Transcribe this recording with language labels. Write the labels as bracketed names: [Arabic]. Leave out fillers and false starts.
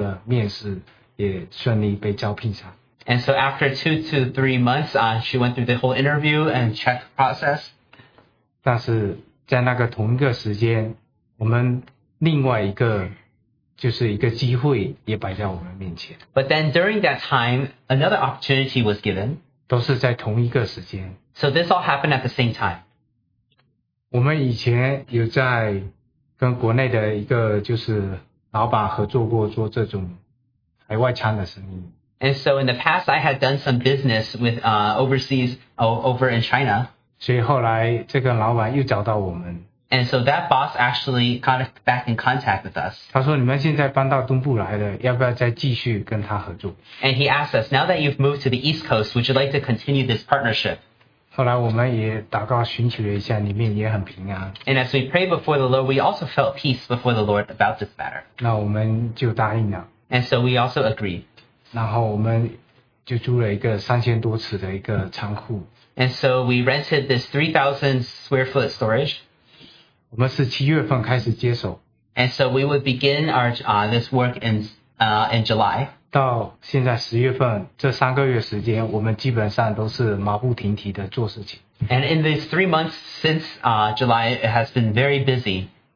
[Chinese] 然后前后花了2-3个月时间，她也顺利通过了面试，也顺利被招聘上。 [English] And so after 2 to 3 months, she went through the whole interview and check process. [Chinese] 但是在那个同一个时间，我们另外一个就是一个机会也摆在我们面前。 [English] But then during that time, another opportunity was given. [Chinese] 都是在同一个时间。 [English] So this all happened at the same time. [Chinese] 我们以前有在跟国内的一个就是老板合作过做这种海外餐的生意。 [English] And so in the past, I had done some business with overseas over in China. [Chinese] 所以后来这个老板又找到我们。 [English] And so that boss actually got back in contact with us. [Chinese] 他说你们现在搬到东部来了，要不要再继续跟他合作？ [English] And he asked us, now that you've moved to the East Coast, would you like to continue this partnership? [Chinese] 后来我们也祷告寻求一下，里面也很平安。 [English] And as we prayed before the Lord, we also felt peace before the Lord about this matter. [Chinese] 那我们就答应了。 [English] And so we also agreed. [Chinese] 然后我们就租了一个3000多尺的一个仓库。 [English] And so we rented this 3,000 square foot storage. [Chinese] 我们是7月份开始接手。 [English] And so we would begin this work in July. [Chinese] 到现在10月份，这3个月时间，我们基本上都是马不停蹄的做事情。 [English] And in these 3 months since July, it has been very busy.